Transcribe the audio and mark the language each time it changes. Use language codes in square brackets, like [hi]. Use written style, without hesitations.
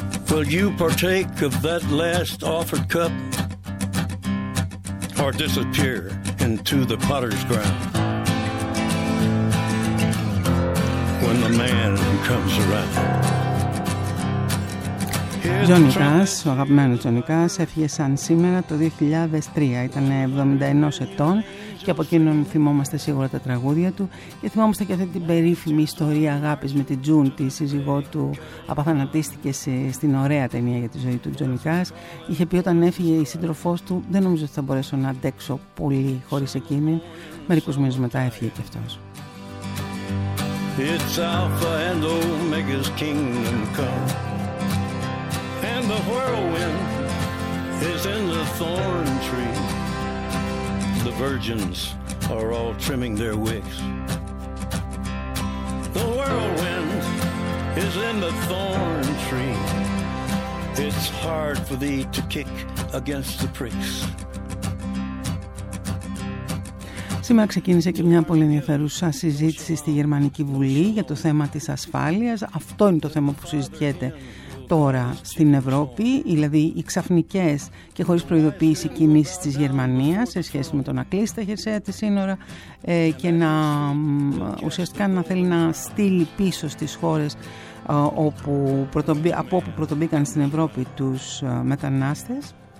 [en] Will you partake of that last offered cup or disappear into the potter's ground when the man comes around? [el] Johnny Cash, ο αγαπημένος Johnny Cash, έφυγε σαν σήμερα το 2003. Ήταν 71 ετών και από εκείνον θυμόμαστε σίγουρα τα τραγούδια του, και θυμόμαστε και αυτή την περίφημη ιστορία αγάπης με την Τζούν, τη σύζυγό του. Αποθανατίστηκε στην ωραία ταινία για τη ζωή του Johnny Cash. Είχε πει όταν έφυγε η σύντροφός του: «Δεν νομίζω ότι θα μπορέσω να αντέξω πολύ χωρίς εκείνη». Μερικούς μήνες μετά έφυγε και αυτός. [en] It's Alpha and Omega's kingdom come. And the whirlwind is in the thorn tree. The virgins are all trimming their wicks. The whirlwind is in the thorn tree. It's hard for thee to kick against the pricks. [el] Σήμερα ξεκίνησε και μια πολύ ενδιαφέρουσα συζήτηση στη Γερμανική Βουλή για το θέμα της ασφάλειας. Αυτό είναι το θέμα που συζητιέται τώρα στην Ευρώπη, δηλαδή οι ξαφνικές και χωρίς προειδοποίηση κινήσεις της Γερμανίας σε σχέση με το να κλείσει τα χερσαία της σύνορα και να ουσιαστικά να θέλει να στείλει πίσω στις χώρες από όπου πρωτομπήκαν στην Ευρώπη τους μετανάστες.